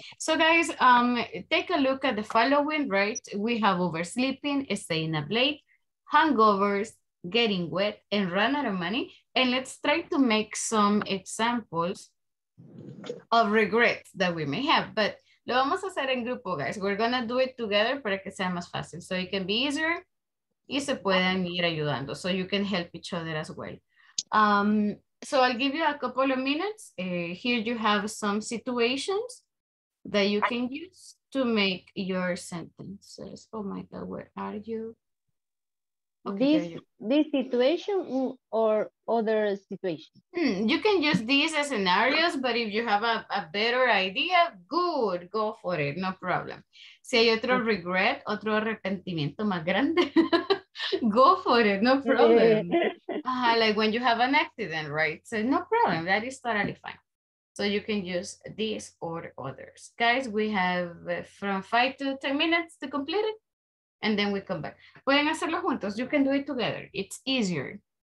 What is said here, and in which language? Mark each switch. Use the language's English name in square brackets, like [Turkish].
[English] So guys, take a look at the following, right? We have oversleeping, staying up late, hangovers, getting wet and run out of money. And let's try to make some examples of regrets that we may have. [Spanish] But lo vamos a hacer en grupo, guys. [English] We're going to do it together [Spanish] para que sea más fácil. [English] So it can be easier [Spanish] y se puedan ir ayudando. [English] So you can help each other as well. So I'll give you a couple of minutes. Here you have some situations that you can use to make your sentences. Oh my God, where are you? Okay, this situation or other situations? You can use these as scenarios, but if you have a better idea, good, go for it, no problem. [Spanish] Si hay otro regret, otro arrepentimiento más grande, [English] go for it, no problem. Like when you have an accident, right? So no problem, that is totally fine. So you can use these or others. Guys, we have from 5 to 10 minutes to complete it. And then we come back. [Spanish] Pueden hacerlo juntos. [English] You can do it together. It's easier.